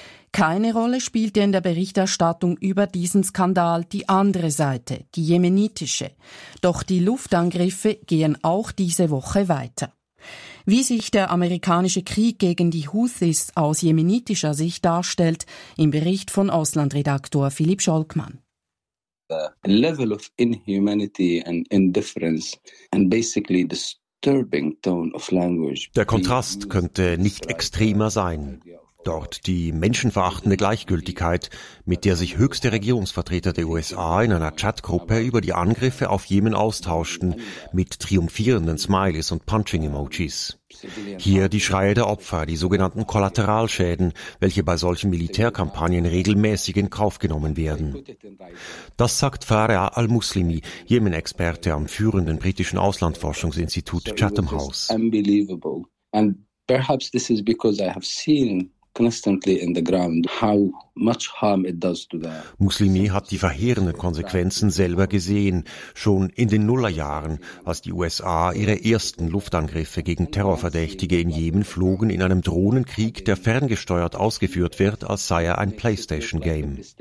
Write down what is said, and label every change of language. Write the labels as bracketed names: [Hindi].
[German] Keine Rolle spielte in der Berichterstattung über diesen Skandal die andere Seite, die jemenitische. Doch die Luftangriffe gehen auch diese Woche weiter. Wie sich der amerikanische Krieg gegen die Houthis aus jemenitischer Sicht darstellt, im Bericht von Auslandredaktor Philipp Scholkmann. [English] The level of inhumanity and indifference and basically disturbing tone of language. [German] Der Kontrast könnte nicht extremer sein. Dort die menschenverachtende Gleichgültigkeit, mit der sich höchste Regierungsvertreter der USA in einer Chatgruppe über die Angriffe auf Jemen austauschten, mit triumphierenden Smileys und Punching-Emojis. Hier die Schreie der Opfer, die sogenannten Kollateralschäden, welche bei solchen Militärkampagnen regelmäßig in Kauf genommen werden. Das sagt Farah al-Muslimi, Jemen-Experte am führenden britischen Auslandsforschungsinstitut Chatham House. [English] Unbelievable. And perhaps this is because I have seen constantly in the ground how much harm it does to the [German] Muslimi hat die verheerenden Konsequenzen selber gesehen, schon in den Nullerjahren, als die USA ihre ersten Luftangriffe gegen Terrorverdächtige in Jemen flogen, in einem Drohnenkrieg, der ferngesteuert ausgeführt wird, als sei er ein PlayStation-Game.